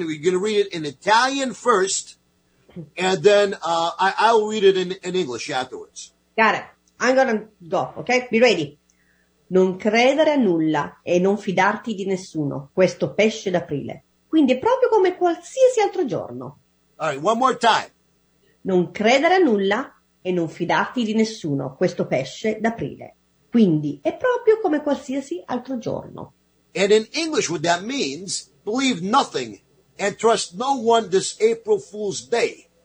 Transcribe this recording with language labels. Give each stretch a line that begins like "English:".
English: You're going to read it in Italian first, and then I'll read it in English afterwards. Got it. I'm going to go, okay? Be ready.
Italian: Non credere a nulla e non fidarti di nessuno, questo pesce d'aprile. Quindi è proprio come qualsiasi altro giorno.
English: All right, one more time.
Italian: Non credere a nulla e non fidarti di nessuno, questo pesce d'aprile. Quindi è proprio come qualsiasi altro giorno.
English: And in English, what that means, believe nothing and trust no one this April Fool's Day.